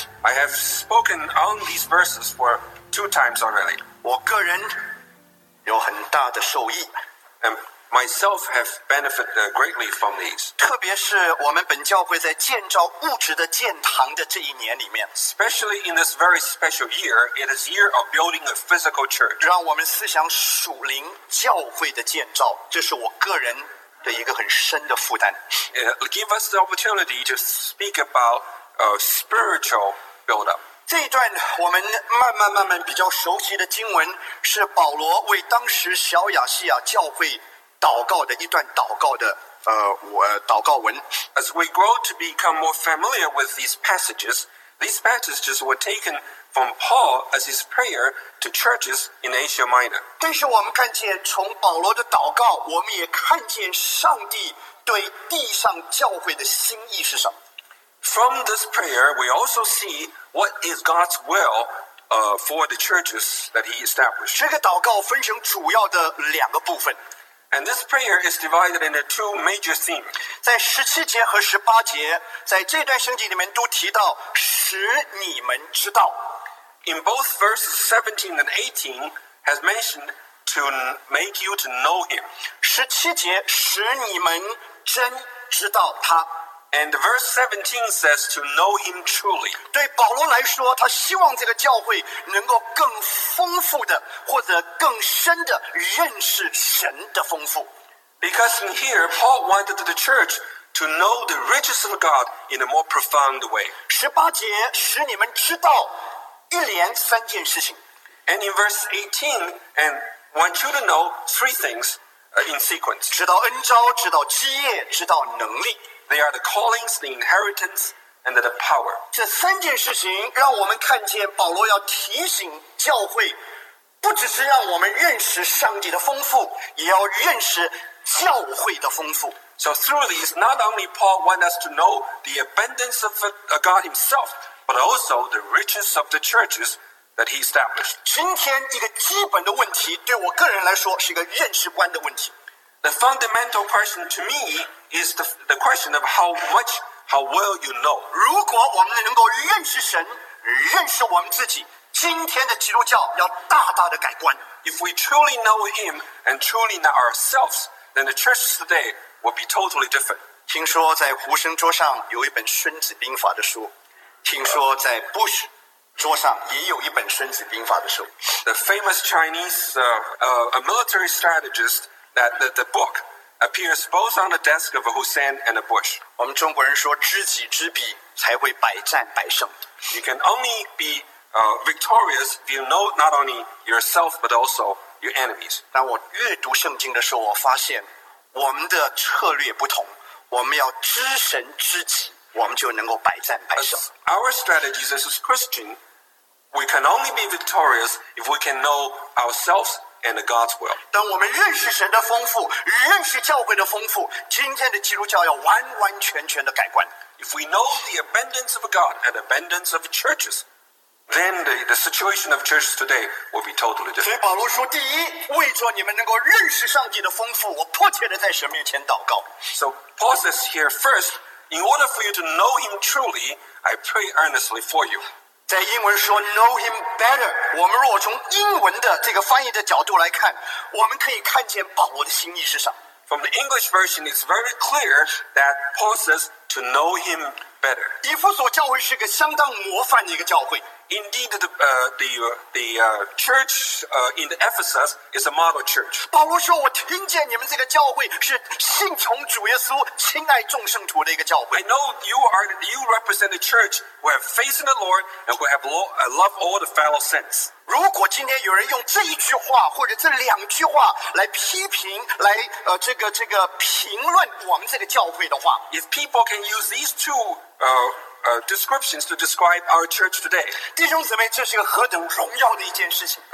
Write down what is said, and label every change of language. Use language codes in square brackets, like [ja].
[en] I have spoken on these verses for two times already. [zh] 我个人有很大的受益。 [en] And myself have benefited greatly from these. [zh] 特别是我们本教会在建造物质的建堂的这一年里面。 [en] Especially in this very special year, it is a year of building a physical church. [zh] 让我们思想属灵教会的建造，这是我个人的一个很深的负担。 [en] Give us the opportunity to speak about a spiritual build-up. [zh] 这一段我们慢慢比较熟悉的经文是保罗为当时小亚细亚教会祷告的一段祷告的祷告文。 [en] As we grow to become more familiar with these passages were taken from Paul as his prayer to churches in Asia Minor. [zh] 但是我们看见从保罗的祷告，我们也看见上帝对地上教会的心意是什么。 [en] From this prayer, we also see what is God's will, for the churches that He established. [zh] 这个祷告分成主要的两个部分。 [en] And this prayer is divided into two major themes. [zh] 在十七节和十八节，在这段圣经里面都提到使你们知道。 [en] In both verses 17 and 18, has mentioned to make you to know Him. [zh] 十七节使你们真知道他。 [en] And verse 17 says to know him truly. [zh] 对保罗来说，他希望这个教会能够更丰富的或者更深的认识神的丰富。 [en] Because in here, Paul wanted the church to know the riches of God in a more profound way. [zh] 十八节使你们知道一连三件事情。 [en] And in verse 18, and want you to know three things in sequence. [zh] 知道恩召，知道基业，知道能力。 [en] They are the callings, the inheritance, and the power. [zh] 这三件事情让我们看见保罗要提醒教会，不只是让我们认识上帝的丰富，也要认识教会的丰富。 [en] So through these, not only Paul wants us to know the abundance of God himself, but also the riches of the churches that he established. [zh] 今天一个基本的问题对我个人来说是一个认识观的问题。 [en] The fundamental question to me is the question of how well you know. [zh] 如果我们能够认识神，认识我们自己，今天的基督教要大大的改观。 [en] If we truly know Him and truly know ourselves, then the church today will be totally different. [zh] 听说在胡森桌上有一本《孙子兵法》的书，听说在 Bush 桌上也有一本《孙子兵法》的书。 [en] The famous Chinese a military strategist. That the book appears both on the desk of a Hussein and a Bush. [zh] 我们中国人说知己知彼才会百战百胜。 [en] You can only be victorious if you know not only yourself but also your enemies. [zh] 当我阅读圣经的时候，我发现我们的策略不同。我们要知神知己，我们就能够百战百胜。 [en] As our strategies as a Christian, we can only be victorious if we can know ourselves. And God's will. [zh] 当我们认识神的丰富，认识教会的丰富，今天的基督教要完完全全的改观。 [en] If we know the abundance of God and abundance of churches, then the situation of churches today will be totally different. [zh] 所以保罗说，第一，为着你们能够认识上帝的丰富，我迫切的在神面前祷告。 [en] So Paul says here, first, in order for you to know Him truly, I pray earnestly for you. [zh] 在英文说 [en] know him better， [zh] 我们如果从英文的这个翻译的角度来看，我们可以看见保罗的心意是什么。 [en] From the English version, it's very clear that Paul says to know him better. [zh] 以弗所教会是个相当模范的一个教会。 [en] Indeed, the church in the Ephesus is a model church. [zh] 保罗说，我听见你们这个教会是信从主耶稣、亲爱众圣徒的一个教会。 [en] I know you represent a church who have faith in the Lord and who have love all the fellow saints. [zh] 如果今天有人用这一句话或者这两句话来批评、来这个评论我们这个教会的话 [en] ，If people can use these two descriptions to describe our church today. [zh] 弟兄姊妹，这是个何等荣耀的一件事情。